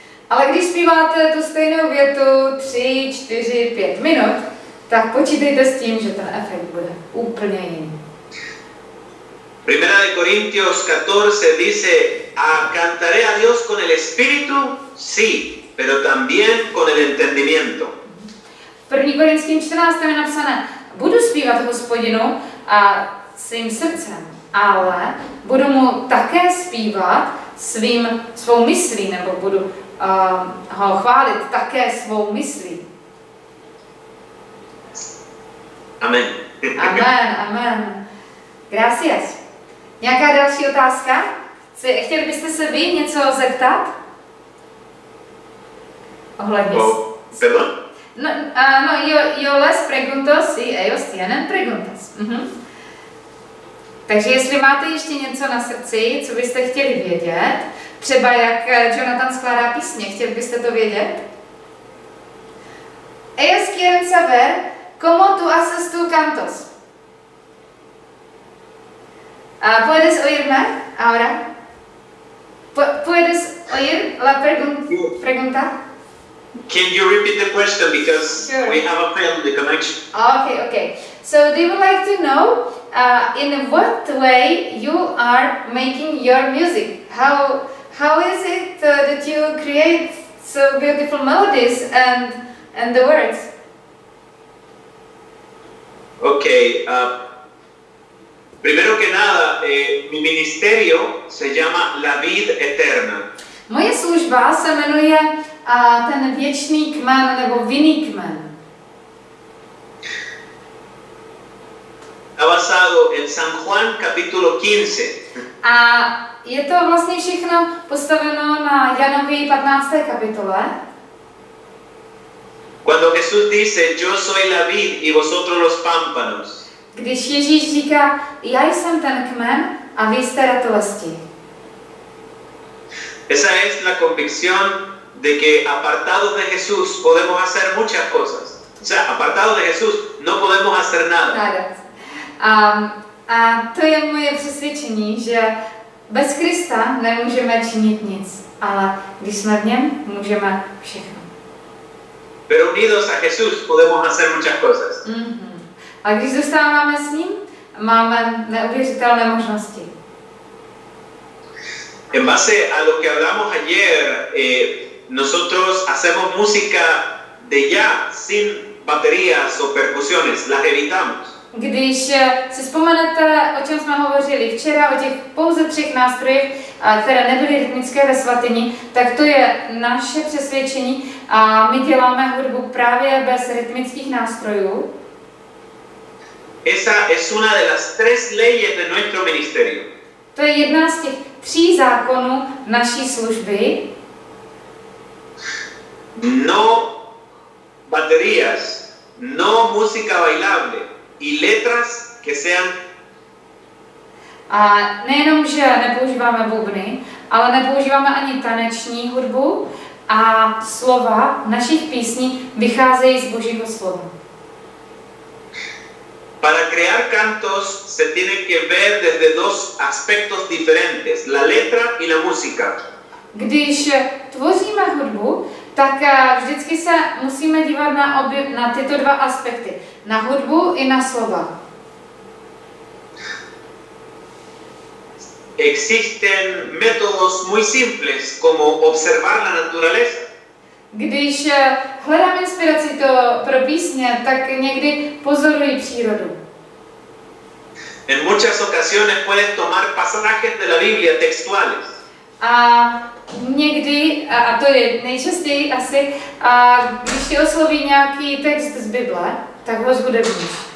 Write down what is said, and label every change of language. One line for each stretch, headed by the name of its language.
Czech: Ale když zpíváte tu stejnou větu 3, 4, 5 minut, tak počítejte s tím, že ten efekt bude úplně jiný.
Spanish: Primera de Corintios 14 dice, "A cantaré a Dios con el espíritu, sí, pero también con el entendimiento."
Czech: V 1. Korintským 14 je napsané, budu zpívat Hospodinu a svým srdcem, ale budu mu také zpívat svou myslí, nebo budu ho chválit také svou myslí. Amen. Amen, amen.
Spanish: Gracias.
Czech: Nějaká další otázka? Chtěli byste se vy něco zeptat? Ohledně...
Spanish: No, yo les pregunto, sí, ellos tienen preguntas.
Czech: Takže jestli máte ještě něco na srdci, co byste chtěli vědět, třeba jak Jonathan skládá písně, chtěli byste to vědět?
Spanish: Ellos quieren saber cómo tú haces tus cantos. ¿Puedes oírme ahora? ¿Puedes oír la pregunta?
English: Can you repeat the question because we have a failed connection? Okay. So they would like to know in what way you are making your music. How is it that you create so beautiful melodies and the words? Okay.
Spanish: Primero que nada, mi ministerio se llama La Vid Eterna.
Czech: Moje služba se jmenuje a ten věčný kmen nebo vinný kmen.
Spanish: Está basado en San Juan capítulo 15.
Czech: A je to vlastně všechno postaveno na Janově 15. kapitole.
Spanish: Cuando Jesús dice, yo soy la vid y vosotros los pámpanos.
Czech: Když Ježíš říká, já jsem ten kmen a vy jste ratolesti.
Spanish: Esa es la convicción de que apartados de Jesús podemos hacer muchas cosas. O sea, apartados de Jesús no podemos hacer nada.
Czech: A to je moje přesvědčení, že bez Krista nemůžeme činit nic, ale když jsme v něm, můžeme všechno.
Spanish: Pero unidos a Jesús podemos hacer muchas cosas.
Czech: A když zůstáváme s ním, máme neuvěřitelné možnosti.
Spanish: En base a lo que hablamos ayer, nosotros hacemos música de ya sin baterías o percusiones, las evitamos.
Czech: Když si vzpomenete, o čem jsme hovořili včera, o těch pouze třech nástrojích, které nebyly rytmické ve svatyni, tak to je naše přesvědčení a my děláme hudbu právě bez rytmických nástrojů.
Spanish: Esa es una de las tres leyes de nuestro ministerio.
Czech: To je jedna z těch tří zákonů naší služby.
Spanish: No baterías, no música bailable y letras que sean...
Czech: A nejenom, že nepoužíváme bubny, ale nepoužíváme ani taneční hudbu a slova našich písní vycházejí z Božího slova.
Spanish: Para crear cantos se tiene que ver desde dos aspectos diferentes, la letra y la música.
Czech: Když tvoříme hudbu, tak vždycky se musíme dívat na tyto dva aspekty, na hudbu i na slova.
Spanish: existen métodos muy simples como observar la naturaleza.
Czech: Když hledám inspiraci to pro písně, tak někdy pozoruji přírodu.
Spanish: En muchas ocasiones puedes tomar pasajes de la Biblia textuales.
Czech: A někdy, a to je nejčastěji asi, a když ti osloví nějaký text z Bible, tak ho zhudebníš.